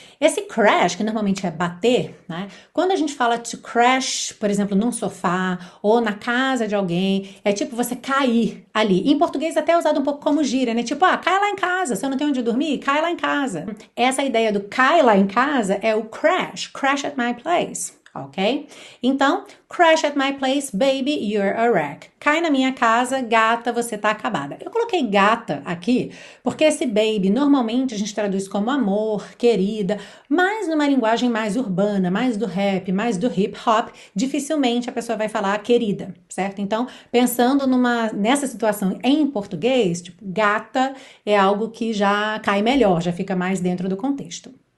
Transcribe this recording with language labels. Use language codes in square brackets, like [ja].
[pt] Esse crash, que normalmente é bater, né? Quando a gente fala to crash, por exemplo, num sofá ou na casa de alguém, é tipo você cair ali. Em português até é usado um pouco como gíria, né? Tipo, ah, cai lá em casa, se eu não tenho onde dormir, cai lá em casa. Essa ideia do cai lá em casa é o crash, [en] crash at my place, [pt] ok? [en] Então, crash at my place, baby, you're a wreck. [pt] Cai na minha casa, gata, você tá acabada. Eu coloquei gata aqui porque esse baby normalmente a gente traduz como amor, querida, mas numa linguagem mais urbana, mais do rap, mais do hip hop, dificilmente a pessoa vai falar querida, certo? Então, pensando nessa situação em português, tipo, gata é algo que já cai melhor, já fica mais dentro do contexto.